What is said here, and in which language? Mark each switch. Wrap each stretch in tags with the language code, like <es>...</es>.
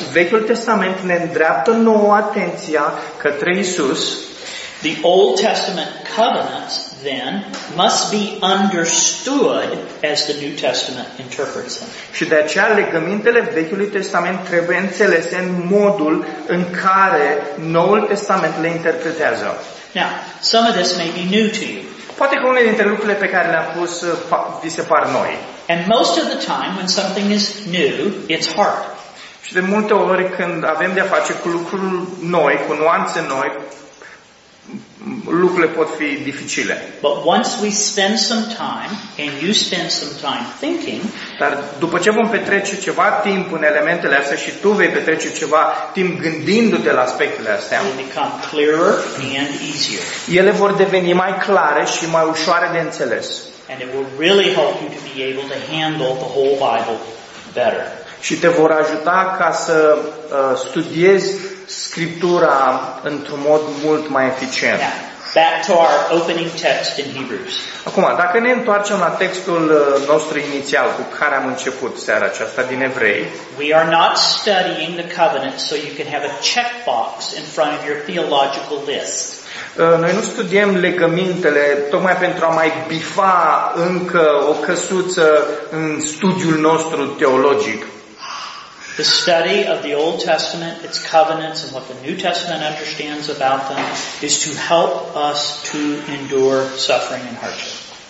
<ro>Vechiul Testament ne îndreaptă nouă atenția către Iisus.</ro> <en>The Old Testament covenants then must be understood as the New Testament interprets them.</en> <ro>Și de aceea legămintele Vechiului Testament trebuie înțelese în modul în care Noul Testament le interpretează.</ro> <en>Now, some of this may be new to you.</en> <ro>Poate că unele dintre lucrurile pe care le-am pus vi se par noi.</ro> <en>And most of the time when something is new, it's hard.</en> <ro>Și de multe ori când avem de-a face cu lucruri noi, cu nuanțe noi, lucrurile pot fi dificile.</ro> <en>But once we spend some time and you spend some time thinking,</en> <ro>dar după ce vom petrece ceva timp în elementele astea și tu vei petrece ceva timp gândindu-te la aspectele astea,</ro> <en>they become clearer and easier.</en> <ro>Ele vor deveni mai clare și mai ușoare de înțeles.</ro> <en>And it will really help you to be able to handle the whole Bible better.</en> <ro>Și te vor ajuta ca să studiezi Scriptura într-un mod mult mai eficient.</ro> <en>Now, back to our opening text in Hebrews.</en> <ro>Acum, dacă ne întoarcem la textul nostru inițial cu care am început seara aceasta din Evrei,</ro> <en>we are not studying the covenant so you can have a checkbox in front of your theological list.</en> <ro>Noi nu studiem legămintele tocmai pentru a mai bifa încă o căsuță în studiul nostru teologic.</ro> <en>The study of the Old Testament, its covenants, and what the New Testament understands about them is to help us to endure suffering and hardship.</en>